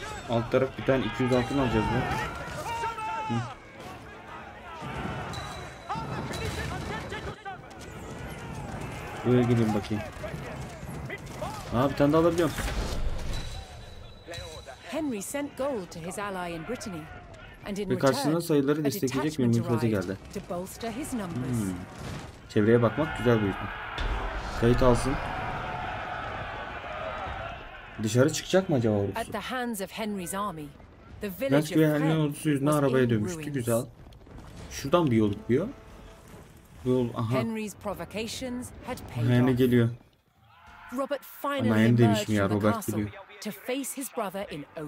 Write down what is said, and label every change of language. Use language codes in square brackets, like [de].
[tr] Alt taraf bir tane 200 altın alacağız mı? Buraya gideyim bakayım. Aha bir tane daha alabiliyorum. [en] Henry sent gold to his ally in Brittany and in return a detachment arrived to bolster his numbers. [tr] Çevreye bakmak güzel bir şey. Kayıt alsın. Dışarı çıkacak mı acaba ordusu? [en] At the hands of Henry's army, the village of [tr] Henry ordusu yüzünden arabaya dönmüştü. Güzel. Şuradan bir yol çıkıyor. Yol aha. [en] Henry's provocations had paid off. Henry [tr] geliyor. [en] Robert finally emerged from the castle. To face his brother in open.